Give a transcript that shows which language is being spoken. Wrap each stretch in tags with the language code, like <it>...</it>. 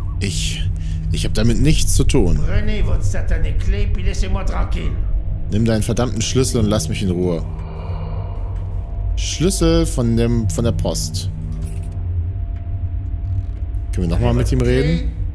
<de>Ich habe damit nichts zu tun.</de> <fr>Prenez votre satané clé puis laissez-moi tranquille.</fr> <de>Nimm deinen verdammten Schlüssel und lass mich in Ruhe. Schlüssel von der Post. Können wir nochmal mit ihm reden?</de>